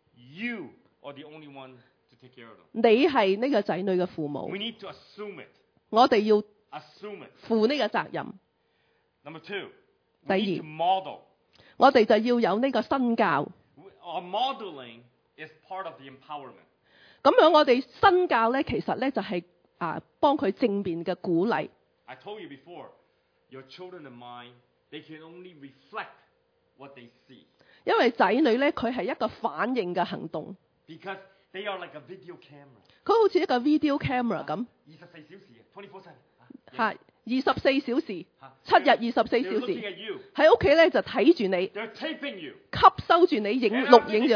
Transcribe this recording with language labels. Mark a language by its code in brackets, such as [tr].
[en] You are the only one to take care of them. [yue] 你系呢个仔女嘅父母。 [en] We need to assume it. [yue] 我哋要 [en] assume it. [yue] 负呢个责任。 [en] Number two. [yue] 第二。 [en] We need to model. [yue] 我哋就要有呢个身教。 [en] Our modeling is part of the empowerment. [yue] 咁样我哋身教咧，其实咧就系帮佢正面嘅鼓励。 [en] I told you before, your children and mine. They can only reflect what they see. [yue] 因為仔女咧，佢係一個反應嘅行動。 [en] Because they are like a video camera. [yue] 佢好似一個 video camera 咁。 24小時 ，24/7。嚇，二十四小时，七日二十四小时，喺屋企咧就睇住你，吸收住你，影录影住